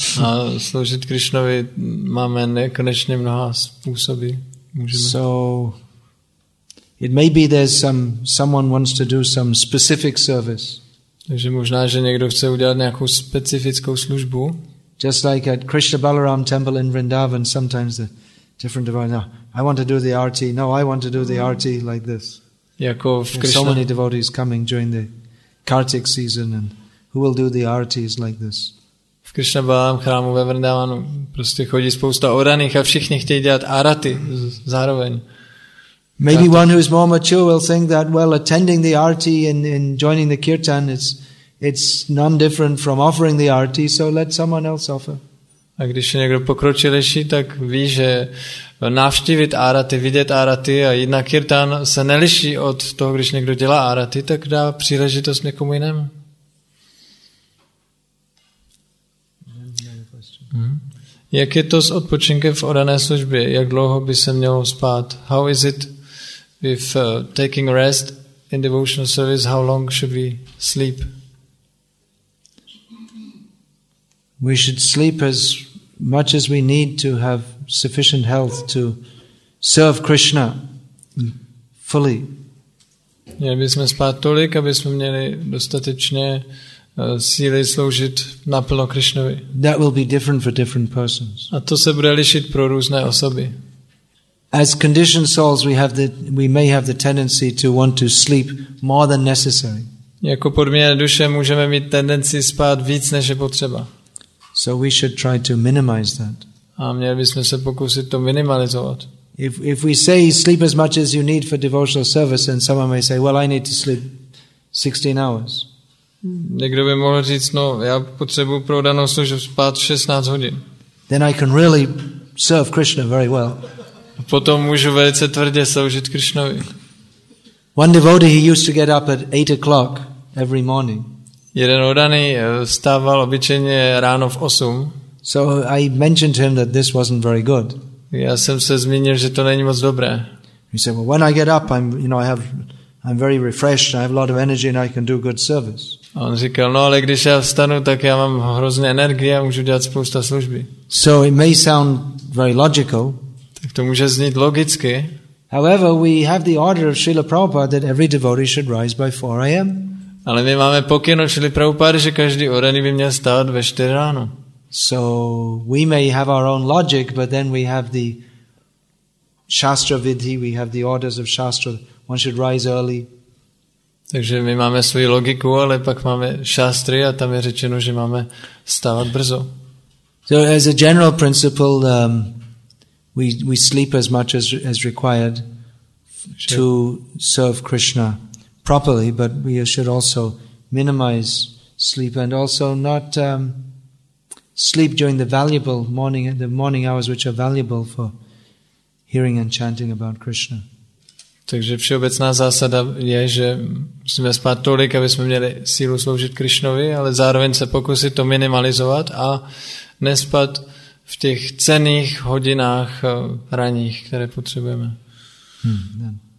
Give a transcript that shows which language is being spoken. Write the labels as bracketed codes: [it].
[cs] A sloužit Krishnovi máme nekonečně mnoha způsoby. Můžeme. [en] So it may be someone wants to do some specific service. [cs] Takže možná, že někdo chce udělat nějakou specifickou službu. [en] Just like at Krishna Balaram temple in Vrindavan, sometimes the different devotees, no, I want to do the arti like this. [cs] Jako v Krishna. [en] So many devotees coming during the Kartik season, and who will do the artis like this? [cs] V Krishna Balaram chrámu ve Vrindavanu prostě chodí spousta oraných a všichni chtějí dělat arati zároveň. [en] Maybe one who is more mature will think that, well, attending the arti and joining the kirtan, it's none different from offering the arti, so let someone else offer. [cs] A když je někdo pokročilejší, tak ví, že navštívit arati, vidět arati a jít na kirtan se neliší od toho, když někdo dělá arati, tak dá příležitost někomu jinému. Jak je to s odpočinkem v orané službě? Jak dlouho by se mělo spát? [en] How is it with taking rest in devotional service? How long should we sleep? We should sleep as much as we need to have sufficient health to serve Krishna fully. [cs] Měli bychom spát tolik, aby jsme měli dostatečně síly sloužit naplno Krishnovi. [en] That will be different for different persons. [cs] A to se bude lišit pro různé osoby. [en] As conditioned souls we may have the tendency to want to sleep more than necessary. [cs] Jako podmíněné duše můžeme mít tendenci spát víc než je potřeba. [en] So we should try to minimize that. [cs] A měli bychom se pokusit to minimalizovat. [en] If we say sleep as much as you need for devotional service, then someone may say, well, I need to sleep 16 hours. [cs] Někdo by mohl říct, no, já potřebuji pro danou službu spát 16 hodin. [en] Then I can really serve Krishna very well. [cs] Potom můžu velice tvrdě sloužit Krishnovi. [en] One devotee, he used to get up at 8 o'clock every morning. [cs] Jeden oddaný vstával obyčejně ráno v 8. [en] So I mentioned to him that this wasn't very good. [cs] Já jsem se zmínil, že to není moc dobré. [en] He said, well, when I get up, I'm very refreshed, I have a lot of energy and I can do good service. [cs] A on říkal, no, ale když já vstanu, tak já mám hrozně energie a můžu dělat spousta služby. [en] So it may sound very logical. [cs] Tak to může znít logicky. [en] However, we have the order of Srila Prabhupada that every devotee should rise by 4 a.m. [cs] Ale my máme pokyn od Srila Prabhupady, že každý oraný by měl stát ve 4 ráno. [en] So we may have our own logic, but then we have the Shastra Vidhi, we have the orders of Shastra. One should rise early. [cs] Takže my máme svou logiku, ale pak máme šástry a tam je řečeno, že máme stávat brzo. [en] So as a general principle, we sleep as much as required to serve Krishna properly, but we should also minimize sleep and also not sleep during the valuable morning, the morning hours which are valuable for hearing and chanting about Krishna. [cs] Takže všeobecná zásada je, že musíme spát tolik, aby jsme měli sílu sloužit Krišnovi, ale zároveň se pokusit to minimalizovat a nespat v těch cenných hodinách ranních, které potřebujeme. Hmm.